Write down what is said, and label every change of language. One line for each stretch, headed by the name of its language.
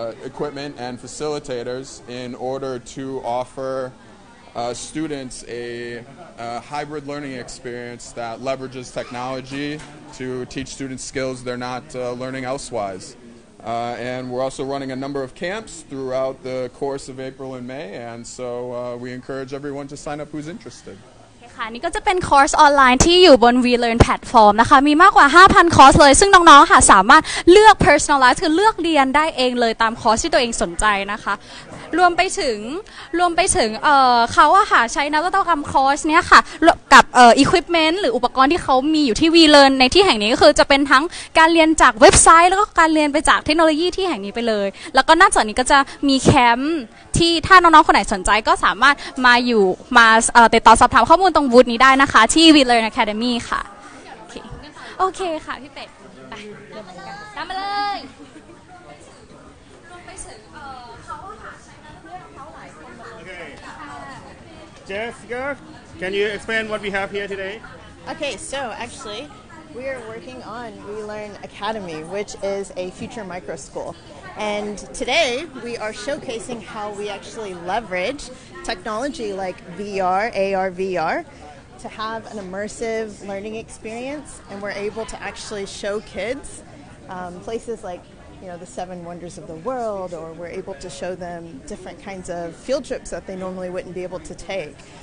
English: equipment and facilitators in order to offer students a hybrid learning experience that leverages technology to teach students skills they're not learning elsewise and we're also running a number of camps throughout the course of April and May and so we encourage everyone to sign up who's interested
Thai: อันนี้ก็จะเป็นคอร์สออนไลน์ที่อยู่บน WeLearn Platform นะคะมีมากกว่า 5,000 คอร์สเลยซึ่งน้องๆค่ะสามารถเลือก Personalize คือเลือกเรียนได้เองเลยตามคอร์สที่ตัวเองสนใจนะคะรวมไปถึ งเขาอะค่ะใช้นวัตกรรมคอร์สเนี้ยค่ะกับequipment หรืออุปกรณ์ที่เขามีอยู่ที่ WeLearn ในที่แห่งนี้ก็คือจะเป็นทั้งการเรียนจากเว็บไซต์แล้วก็การเรียนไปจากเทคโนโลยีที่แห่งนี้ไปเลยแล้วก็นอกจากนี้ก็จะมีแคมป์ที่ถ้าน้องๆคนไหนสนใจก็สามารถมาอยู่มาติดต่อสอบถามข้อมูลบูธนี้ได้นะคะที่ WeLearn Academy ค่ะโอเคค่ะพี่เป็ดไปตามมาเลย รวมไปถึงเขาหาใช้นักเรียนเขาหลายคน
English: โอเค Jessica can you explain what we have here today okay so actually we are working on WeLearn Academy which is a future micro school and today we are showcasing how we actually leverageTechnology like VR, AR, VR, to have an immersive learning experience, and we're able to actually show kids places like, you know, the Seven Wonders of the World, or we're able to show them different kinds of field trips that they normally wouldn't be able to take.